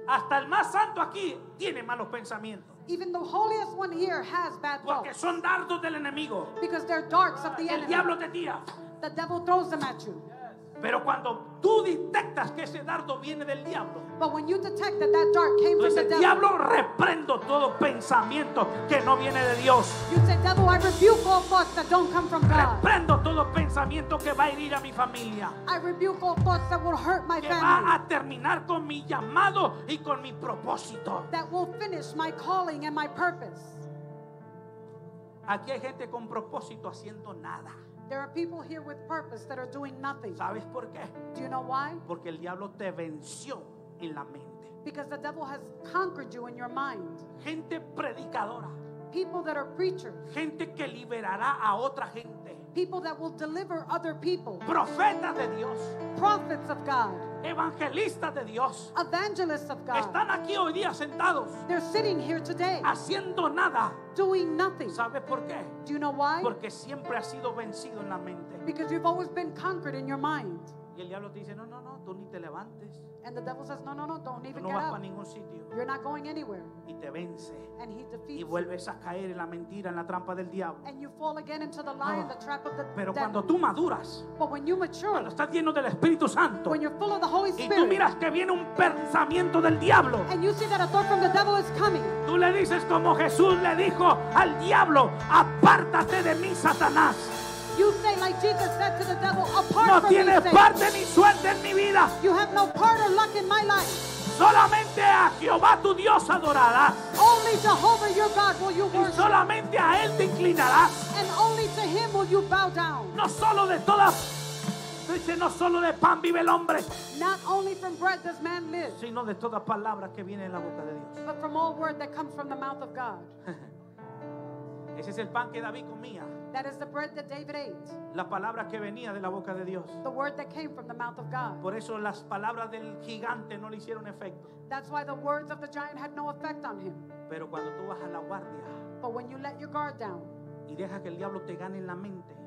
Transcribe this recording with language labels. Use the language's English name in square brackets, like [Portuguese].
[Spanish] Hasta el más santo aquí tiene malos pensamientos. [English] Even the holiest one here has bad thoughts. [Spanish] Porque son dardos del enemigo. [English] Because they're darts of the enemy. [Spanish] El diablo te tira. [English] The devil throws them at you. [Spanish] Pero cuando tú detectas que ese dardo viene del diablo, [English] but when you detect that that dart came from the devil, [Spanish] diablo, reprendo todo pensamiento que no viene de Dios. [English] You say, devil, I rebuke all thoughts that don't come from God. [Spanish] Reprendo todo pensamiento que va a herir a mi familia. [English] I rebuke all thoughts that will hurt my family. [Spanish] va a terminar con mi llamado y con mi propósito. [English] That will finish my calling and my purpose. [Spanish] Aquí hay gente con propósito haciendo nada. [English] There are people here with purpose that are doing nothing. [Spanish] ¿Sabes por qué? [English] Do you know why? [Spanish] Porque el diablo te venció en la mente. [English] Because the devil has conquered you in your mind. [Spanish] Gente predicadora. [English] People that are preachers. [Spanish] Gente que liberará a otra gente. [English] People that will deliver other people. [Spanish] Profetas de Dios. [English] Prophets of God. [Spanish] Evangelistas de Dios. [English] Evangelists of God. [Spanish] Están aquí hoy día sentados. [English] They're sitting here today. [Spanish] Haciendo nada. [English] Doing nothing. [Spanish] ¿Sabes por qué? [English] Do you know why? [Spanish] Porque siempre has sido vencido en la mente. [English] Because you've always been conquered in your mind. [Spanish] Y el diablo te dice, no, tú ni te levantes. [English] And the devil says, no, don't even [Spanish] no [English] get up. [Spanish] No vas para ningún sitio. [English] You're not going anywhere. [Spanish] Y te vence. [English] And he defeats. [Spanish] Y vuelves a caer en la mentira, en la trampa del diablo. [English] And you fall again into the lie, the trap of the devil. [Spanish] Pero cuando tú maduras, [English] but when you mature, [Spanish] cuando estás lleno del Espíritu Santo, [English] when you're full of the Holy Spirit, [Spanish] y tú miras que viene un pensamiento del diablo, [English] and you see that a thought from the devil is coming, [Spanish] tú le dices como Jesús le dijo al diablo, apártate de mí, Satanás. [English] You say like Jesus said to the devil, apart [Spanish] no [English] from me. [Spanish] No tienes parte ni suerte en mi vida. [English] You have no part or luck in my life. [Spanish] Solamente a Jehová tu Dios adorarás. [English] Only Jehovah your God will you worship. [Spanish] Y solamente a él te inclinarás. [English] And only to him will you bow down. [Spanish] No solo de todas. Dice no solo de pan vive el hombre. [English] Not only from bread does man live. [Spanish] Sino de toda palabra que viene de la boca de Dios. [English] But from all word that comes from the mouth of God. [Spanish] Ese es el pan que David comía. [English] That is the bread that David ate. [Spanish] La palabra que venía de la boca de Dios. [English] The word that came from the mouth of God. [Spanish] Por eso las palabras del gigante no le hicieron efecto. [English] That's why the words of the giant had no effect on him. [Spanish] Pero cuando tú bajas la guardia, [English] but when you let your guard down, [Spanish] y deja que el diablo te gane en la mente,